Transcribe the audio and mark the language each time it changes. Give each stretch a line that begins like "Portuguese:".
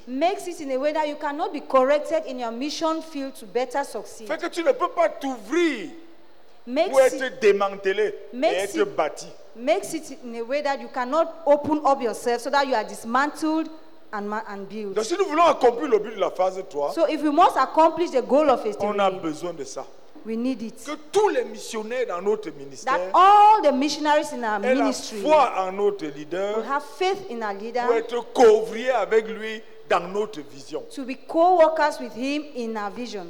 English: Makes it in a way that you cannot be corrected in your mission field to better succeed.
French: Fait que tu ne peux pas t'ouvrir pour être démantelé et être bâti.
English: Makes it in a way that you cannot open up yourself so that you are dismantled and built.
French: Donc si nous voulons accomplir le but de la phase 3,
English: so if we must accomplish the goal of phase
French: 3, on a besoin de ça.
English: We need it.
French: Que tous les missionnaires dans notre ministère,
English: that all the missionaries in our ministry,
French: foi en notre leader,
English: will have faith in our leader,
French: pour être couvriers avec lui dans notre vision,
English: to be co-workers with him in our vision.